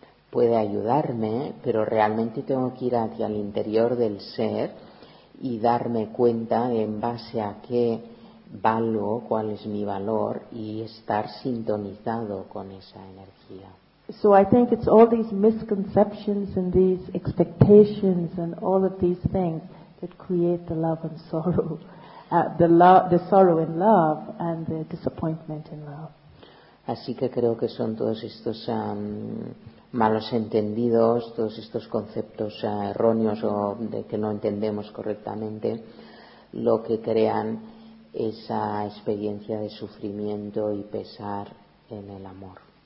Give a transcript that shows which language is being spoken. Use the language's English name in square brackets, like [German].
[Spanish] Puede ayudarme, pero realmente tengo que ir hacia el interior del ser y darme cuenta en base a qué valgo, cuál es mi valor, y estar sintonizado con esa energía. [English] So I think it's all these misconceptions and these expectations and all of these things that create the love and sorrow, the sorrow in love and the disappointment in love. [Spanish] Así que creo que son todos estos malos entendidos, todos estos conceptos erróneos o de que no entendemos correctamente, lo que crean esa experiencia de sufrimiento y pesar en el amor.